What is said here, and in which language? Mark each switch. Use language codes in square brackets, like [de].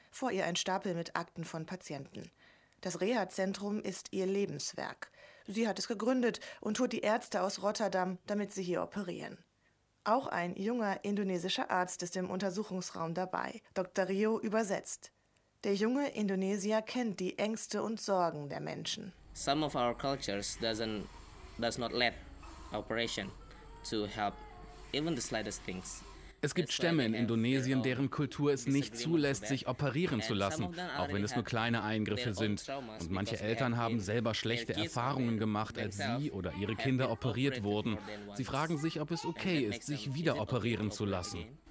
[de] Vor ihr ein Stapel mit Akten von Patienten. Das Reha-Zentrum ist ihr Lebenswerk. Sie hat es gegründet und tut die Ärzte aus Rotterdam, damit sie hier operieren. Auch ein junger indonesischer Arzt ist im Untersuchungsraum dabei. Dr. Rio übersetzt. Der junge Indonesier kennt die Ängste und Sorgen der Menschen. [en] Some of our cultures does not let operation to help even the slightest things. [de] Es gibt Stämme in Indonesien, deren Kultur es nicht zulässt, sich operieren zu lassen, auch wenn es nur kleine Eingriffe sind. Und manche Eltern haben selber schlechte Erfahrungen gemacht, als sie oder ihre Kinder operiert wurden. Sie fragen sich, ob es okay ist, sich wieder operieren zu lassen.